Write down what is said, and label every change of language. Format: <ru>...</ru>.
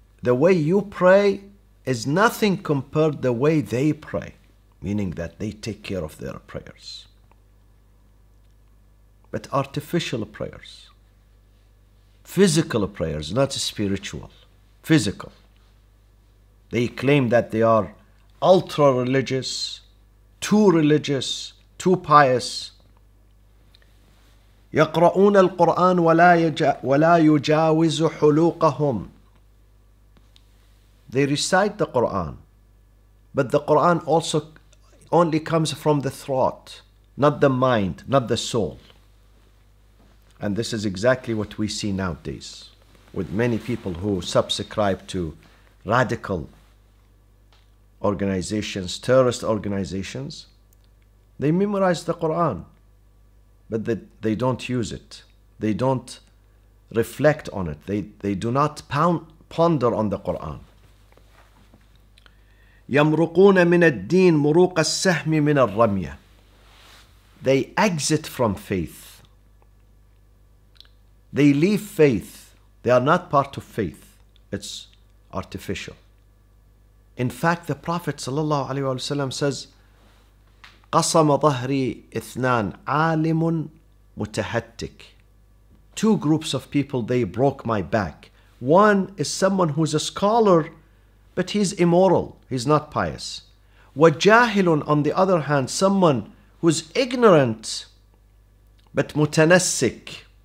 <en>The way you pray is nothing compared to the way they pray, meaning that they take care of their prayers, but artificial prayers, physical prayers, not spiritual, physical. They claim that they are ultra-religious, too religious, too pious.</en> <ar>يقرؤون القرآن ولا يجاوز حلوقهم.</ar> <en>They recite the Quran, but the Quran also only comes from the throat, not the mind, not the soul. And this is exactly what we see nowadays. with many people who subscribe to radical organizations, terrorist organizations. They memorize the Quran, but they don't use it. They don't reflect on it. They do not ponder on the Quran.</en> <ar>يمرقون من الدين مروق السهم من الرمية.</ar> <en>They exit from faith. They leave faith. They are not part of faith. It's artificial. In fact, the Prophet صلى الله عليه وسلم says,</en> <ar>قسم ظهري اثنان عالم متهتك.</ar> <en>Two groups of people, they broke my back. One is someone who's a scholar, but he's immoral. He's not pious.</en> <ar>وَجَاهِلٌ,</ar> <en>on the other hand, someone who's ignorant, but</en> <ar>متنسك.</ar>